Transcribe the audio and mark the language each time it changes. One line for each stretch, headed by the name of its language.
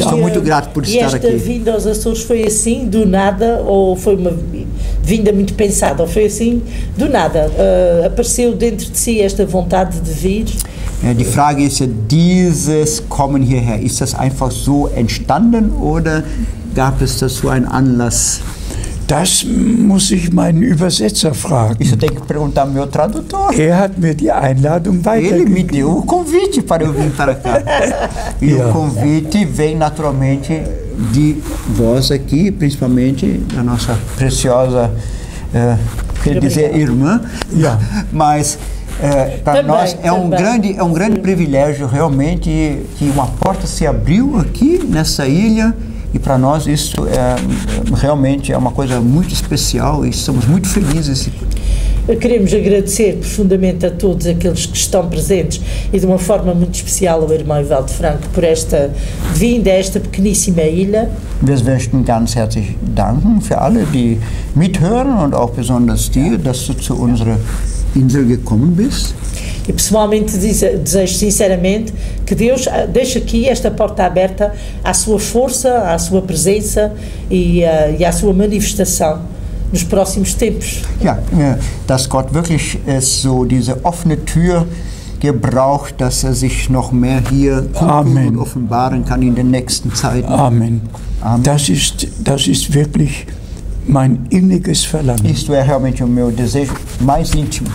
Portuguese: Estou muito grato por estar aqui. E esta vinda aos Açores foi assim, do nada, ou foi uma vinda muito pensada, ou foi assim, do nada? Apareceu dentro de si esta vontade de vir?
German: Die Frage ist, dieses Kommen hierher, ist das einfach so entstanden, oder gab es dazu einen Anlass? Das muss ich meinen Übersetzer fragen.
Portuguese: Isso tem que perguntar ao meu tradutor.
German: Er hat mir die Einladung weitergegeben.
Portuguese: Ele me deu o convite para eu vir para cá. E o convite vem naturalmente de vós aqui, principalmente da nossa preciosa, quer dizer, irmã. Yeah. Mas para nós é um grande privilégio realmente que uma porta se abriu aqui nessa ilha. E para nós isso é realmente é uma coisa muito especial e estamos muito felizes. Queremos agradecer profundamente a todos aqueles que estão presentes e de uma forma muito especial ao irmão Ivaldo Franco por esta vinda a esta pequeníssima ilha.
German: Wir möchten ganz herzlich danken für alle, die mithören und auch besonders dir, dass du zu unserer Insel gekommen bist.
Portuguese: E pessoalmente desejo sinceramente que Deus deixe aqui esta porta aberta à sua força, à sua presença e à sua manifestação nos próximos tempos.
German: Ja, dass Gott wirklich so diese offene Tür gebraucht, dass sich noch mehr hier Amen. Offenbaren kann in den nächsten Zeiten. Amen. Amen. Das ist wirklich mein inniges Verlangen.
Portuguese: Isto é realmente o meu desejo mais íntimo.